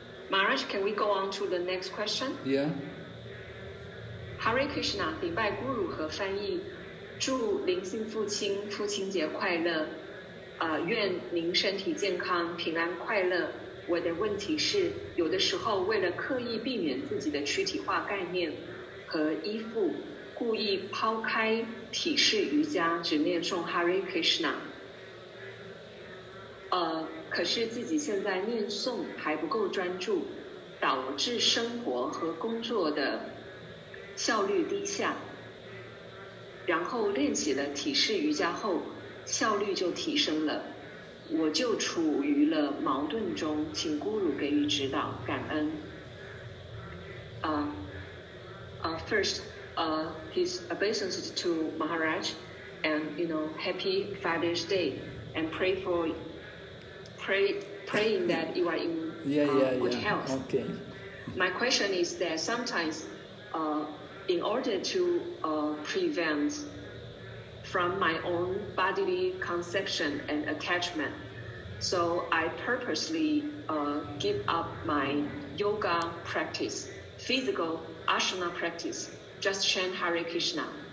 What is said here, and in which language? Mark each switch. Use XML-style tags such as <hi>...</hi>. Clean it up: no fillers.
<en>Maharaj, can we go on to the next question? Yeah.</en> <zh>Hare Krishna, 禀拜 Guru 和翻译。祝灵性父亲父亲节快乐，愿您身体健康平安快乐。我的问题是，有的时候为了刻意避免自己的躯体化概念和依附，故意抛开体式瑜伽，只念诵 Hare Krishna，可是自己现在念诵还不够专注，导致生活和工作的效率低下，然后练习了体式瑜伽后效率就提升了，我就处于了矛盾中，请咕噜给予指导，感恩。</zh> <en>First, his obeisances to Maharaj, and you know, happy Father's Day, and praying that you are in good health. Okay. My question is that sometimes, in order to prevent from my own bodily conception and attachment, so I purposely give up my yoga practice, physical asana practice, just chant Hare Krishna.</en>